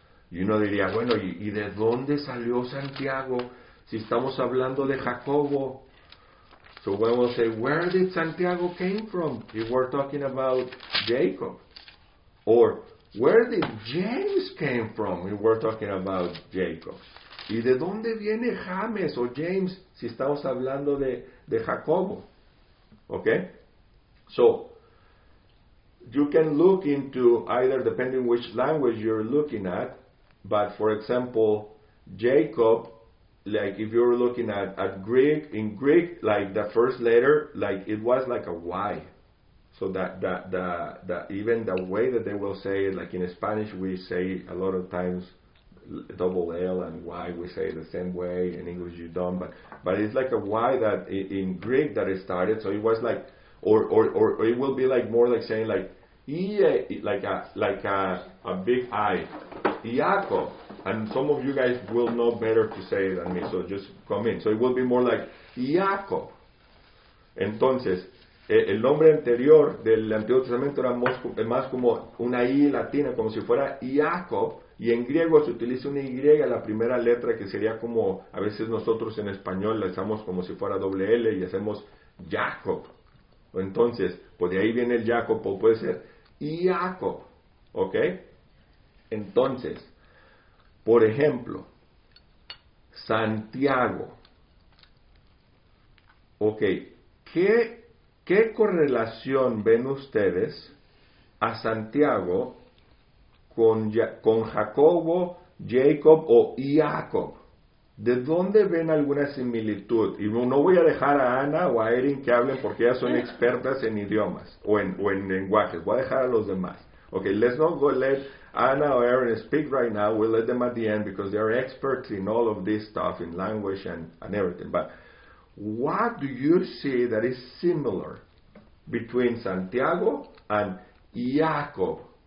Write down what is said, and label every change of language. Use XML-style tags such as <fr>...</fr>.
<es>Y uno diría, bueno, ¿y de dónde salió Santiago si estamos hablando de Jacobo?</es> <en>So we will say, where did Santiago came from if we're talking about Jacob? Or, where did James came from? We were talking about Jacob.</en> <es>¿Y de dónde viene James o James si estamos hablando de Jacobo?</es> <en>Okay? So, you can look into either, depending which language you're looking at, but for example, Jacob, like if you're looking at Greek, in Greek, like the first letter, like it was like a Y. So that even the way that they will say it, like in Spanish we say a lot of times double L and Y, we say it the same way, in English you don't, but it's like a Y that in Greek that it started, so it was like, or it will be like more like saying like a big I, Iaco, and some of you guys will know better to say it than me, so just come in. So it will be more like Iaco.</en> <es>Entonces, el nombre anterior del Antiguo Testamento era más como una I latina, como si fuera Jacob, y en griego se utiliza una Y, la primera letra, que sería como a veces nosotros en español la usamos como si fuera doble L y hacemos Jacob. Entonces, pues de ahí viene el Jacob, o puede ser Jacob, ¿ok? Entonces, por ejemplo, Santiago. Ok, ¿Qué correlación ven ustedes a Santiago con Jacobo, Jacob o Jacob? ¿De dónde ven alguna similitud? Y no voy a dejar a Ana o a Erin que hablen porque ellas son expertas en idiomas o en lenguajes. Voy a dejar a los demás.</es> <en>Okay, let's not go let Ana or Erin speak right now. We'll let them at the end because they are experts in all of this stuff, in language and everything. But what do you see that is similar between Santiago and Jacob?</en>